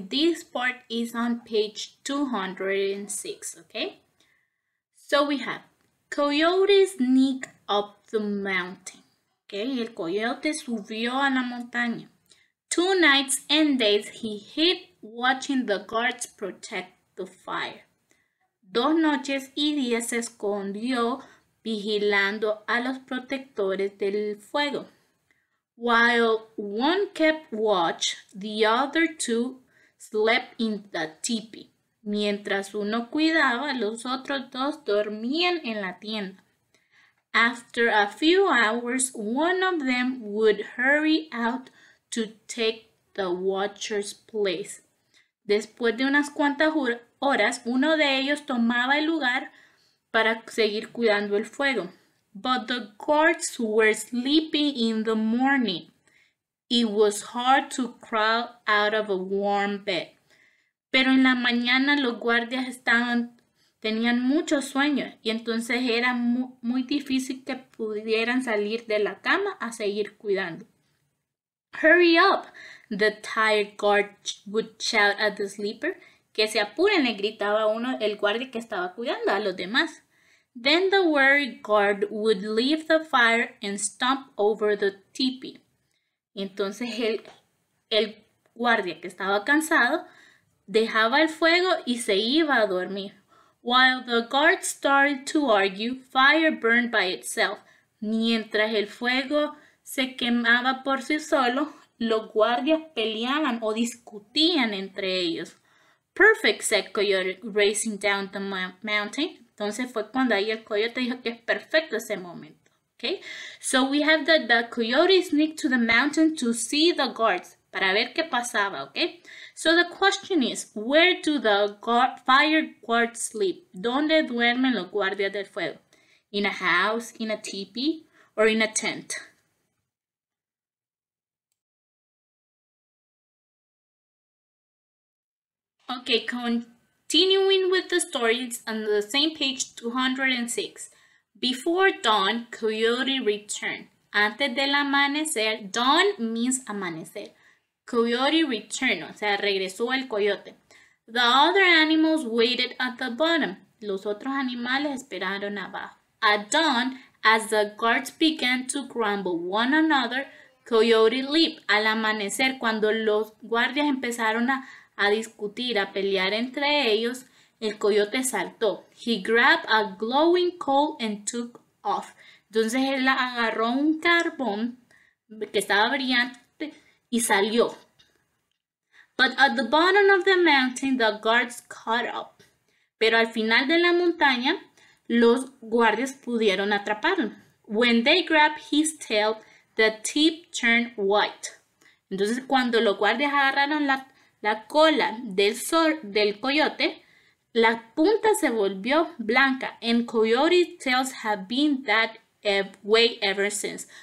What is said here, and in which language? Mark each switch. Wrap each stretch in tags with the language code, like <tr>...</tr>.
<en>This part is on page 206, okay? So we have Coyote sneak up the mountain. Okay,</en> <es>el coyote subió a la montaña.</es> <en>Two nights and days he hid watching the guards protect the fire.</en> <es>Dos noches y días se escondió vigilando a los protectores del fuego.</es> <en>While one kept watch, the other two slept in the teepee.</en> <es>Mientras uno cuidaba, los otros dos dormían en la tienda.</es> <en>After a few hours, one of them would hurry out to take the watcher's place.</en> <es>Después de unas cuantas horas, uno de ellos tomaba el lugar para seguir cuidando el fuego.</es> <en>But the guards were sleeping in the morning. It was hard to crawl out of a warm bed.</en> <es>Pero en la mañana los guardias tenían mucho sueño y entonces era muy difícil que pudieran salir de la cama a seguir cuidando.</es> <en>Hurry up, the tired guard would shout at the sleeper.</en> <es>Que se apuren, le gritaba uno, el guardia que estaba cuidando a los demás.</es> <en>Then the worried guard would leave the fire and stomp over the teepee.</en> <es>Entonces el guardia que estaba cansado dejaba el fuego y se iba a dormir.</es> <en>While the guard started to argue, fire burned by itself.</en> <es>Mientras el fuego se quemaba por sí solo, los guardias peleaban o discutían entre ellos.</es> <en>Perfect, said Coyote, racing down the mountain.</en> <es>Entonces fue cuando ahí el coyote dijo que es perfecto ese momento.</es> <en>Okay? So we have that the coyote sneaked to the mountain to see the guards,</en> <es>para ver qué pasaba,</es> <en>okay? So the question is, where do the fire guards sleep?</en> <es>¿Dónde duermen los guardias del fuego?</es> <en>In a house, in a teepee, or in a tent? Okay, continuing with the stories on the same page 206. Before dawn, Coyote returned.</en> <es>Antes del amanecer,</es> <en>dawn means</en> <es>amanecer.</es> <en>Coyote returned,</en> <es>o sea, regresó el coyote.</es> <en>The other animals waited at the bottom.</en> <es>Los otros animales esperaron abajo.</es> <en>At dawn, as the guards began to grumble one another, Coyote leaped.</en> <es>Al amanecer, cuando los guardias empezaron a discutir, a pelear entre ellos, el coyote saltó.</es> <en>He grabbed a glowing coal and took off.</en> <es>Entonces él agarró un carbón que estaba brillante y salió.</es> <en>But at the bottom of the mountain, the guards caught up.</en> <es>Pero al final de la montaña, los guardias pudieron atraparlo.</es> <en>When they grabbed his tail, the tip turned white.</en> <es>Entonces cuando los guardias agarraron la cola del coyote, la punta se volvió blanca.</es> <en>And coyote's tails have been that way ever since.</en>